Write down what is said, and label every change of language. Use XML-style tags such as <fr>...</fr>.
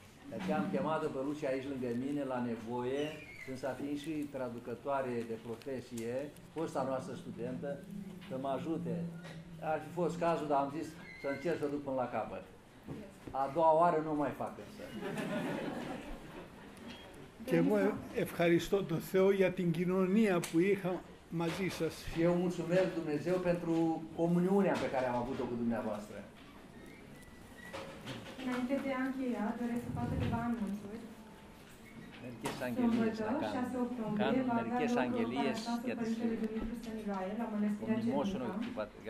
<ro>Deci am chemat-o pe Lucia aici lângă mine, la nevoie, când s-a fiind și traducătoare de profesie, fosta noastră studentă, să mă ajute. Ar fi fost cazul, dar am zis să încerc să duc până la capăt. A doua oară nu mai fac însă.</ro> <el>Και εγώ ευχαριστώ τον Θεό για την κοινωνία που είχα μαζί σας. Και εγώ</el> <ro>mulțumesc Dumnezeu pentru comuniunea pe care am avut-o cu dumneavoastră. Înainte de a încheia, doresc să fac câteva anunțuri. Să învățăm 6 octombrie, va avea locul Paracasul Părintele Dumitru Stăniloae, la Mănăstirea</ro>